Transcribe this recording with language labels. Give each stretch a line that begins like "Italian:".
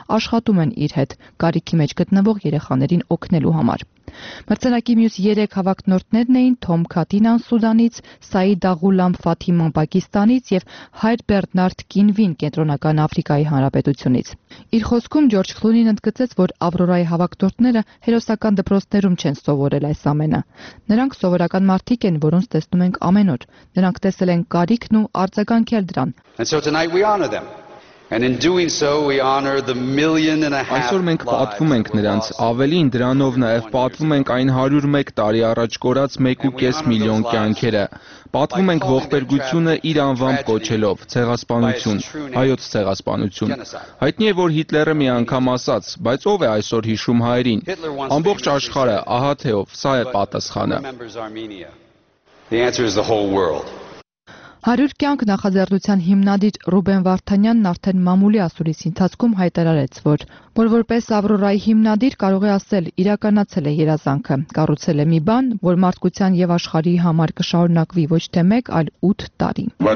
Armenian: աշխատում են իր հետ, կարիքի մեջ գտնվող երեխաներին օգնելու համար։ Մրցանակի մյուս 3 հավակնորդներն էին Թոմ Քատինան Սուդանից, Սայիդ Աղուլամ Ֆաթիման Պակիստանից և Հայր Բերնարդ Կինվին Կենտրոնական Աֆրիկայի Հանրապետությունից։ Իր խոսքում Ջորջ Քլունին ընդգծեց, որ Ավրորայի հավակնորդները հերոսական դպրոցներում չեն սովորել այս ամենը։ Նրանք սովորական մարդիկ են, որոնց տեսնում ենք ամեն օր։ Նրանք տեսել են կարիքն ու արձագանքի էլ դրան։
English: And in doing so we honor the million and a half.
Armenian: Այսօր մենք պատվում ենք նրանց, ավելին դրանով նաև պատվում ենք այն 101 տարի առաջ կորած 1.5 միլիոն կյանքերը։ Պատվում ենք ողբերգությունը իր անվամբ կոչելով՝ ցեղասպանություն, հայոց ցեղասպանություն։ Հայտնի է, որ Հիտլերը մի անգամ ասաց, բայց ով է այսօր հիշում հայերին։ Ամբողջ աշխարհը, ահա թե ով, սա է պատասխանը։
English: The answer is the whole world.
Armenian: 100 կյանք նախաձեռնության հիմնադիր Ռուբեն Վարդանյանն արդեն մամուլի ասուլիս ընթացքում հայտարարեց, որ որպես Ավրորայի հիմնադիր կարող է ասել, իրականացել է երազանքը, կառուցել է մի բան, որ մարդկության եւ աշխարհի համար կշարունակվի ոչ թե 1, այլ 8 տարի։